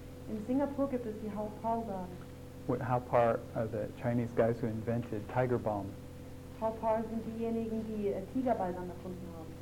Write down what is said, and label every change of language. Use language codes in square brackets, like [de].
[de] In Singapore gibt es die Hau Par Gardens. [en] What Hau Par are the Chinese guys who invented tiger balm? [de] Hau Par sind diejenigen, die Tigerbalsam erfunden haben.